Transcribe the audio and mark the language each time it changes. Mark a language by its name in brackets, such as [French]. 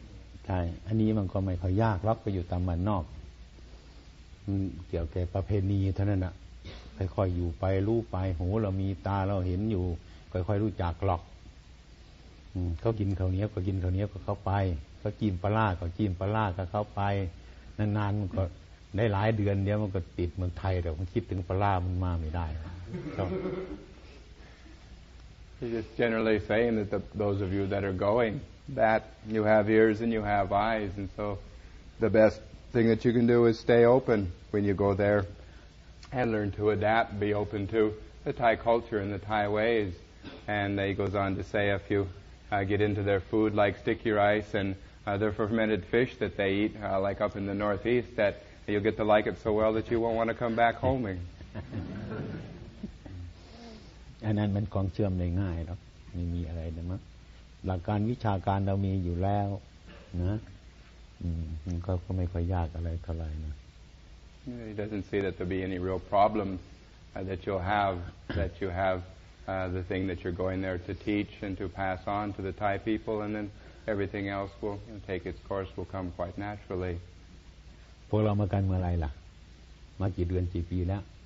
[Thai] เมืองใช่อันนี้มันก็ไม่ค่อยยากรับไปอยู่ตามบ้านนอกเกี่ยวกับประเพณีเท่านั้นอ่ะค่อยๆอยู่ไปรู้ไปหูเรามีตาเราเห็นอยู่ค่อยๆรู้จักหรอกเขากินข้าวเหนียวก็กินข้าวเหนียวก็เข้าไปก็กินปลาก็กินปลาก็เข้าไปนานๆมันก็ได้หลายเดือนเดียวมันก็ติดเมืองไทยแต่มันคิดถึงปลามันมาไม่ได้ so [English] he's just generally saying that those of you that are going that you have ears and you have eyes and so the best thing that you can do is stay open when you go there and learn to adapt be open to the Thai culture and the Thai ways and he goes on to say if youget into their food like sticky rice andtheir fermented fish that they eat, like up in the Northeast, that you'll get to like it so well that you won't want to come back homing. And then, it's easy to connect. There's no need to be anything. The knowledge we have already. It's not very difficult. He doesn't see that there'll be any real problems. He doesn't see that there'll be any real problems that you'll have, that you have the thing that you're going there to teach and to pass on to the Thai people, and then everything else will you know, take its course, will come quite naturally. [Thai] พวกเรามากันเมื่อไรล่ะมากี่เดือนกี่ปีแล้ว